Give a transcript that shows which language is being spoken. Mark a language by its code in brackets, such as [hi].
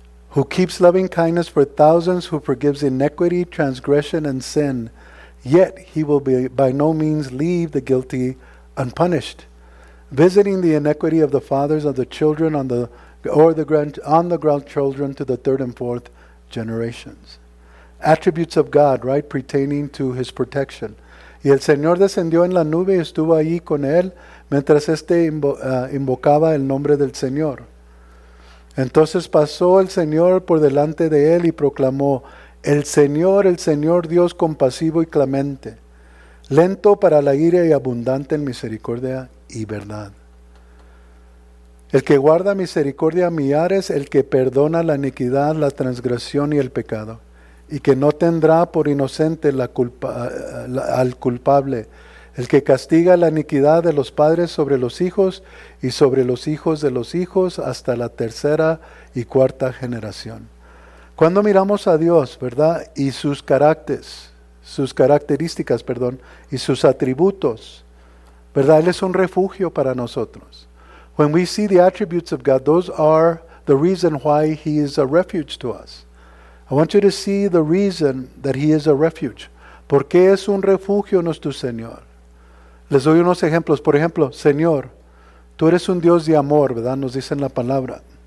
[en] who keeps loving kindness for thousands, who forgives iniquity, transgression, and sin, yet he will be by no means leave the guilty unpunished, visiting the iniquity of the fathers of the children on the grandchildren to the third and fourth generations. Attributes of God, right, pertaining to his protection. [es] Y el Señor descendió en la nube y estuvo allí con él mientras este invocaba el nombre del Señor. Entonces pasó el Señor por delante de él y proclamó, el Señor Dios compasivo y clemente, lento para la ira y abundante en misericordia y verdad. El que guarda misericordia a millares, el que perdona la iniquidad, la transgresión y el pecado, y que no tendrá por inocente al culpable, el que castiga la iniquidad de los padres sobre los hijos y sobre los hijos de los hijos hasta la tercera y cuarta generación. Cuando miramos a Dios, ¿verdad? Y sus caracteres, sus características, perdón, y sus atributos, ¿verdad? Él es un refugio para nosotros. [en] When we see the attributes of God, those are the reason why he is a refuge to us. I want you to see the reason that he is a refuge. [es] ¿Por qué es un refugio nuestro Señor? Les doy unos ejemplos. Por ejemplo, Señor, tú eres un Dios de amor, ¿verdad? Nos dice en la palabra.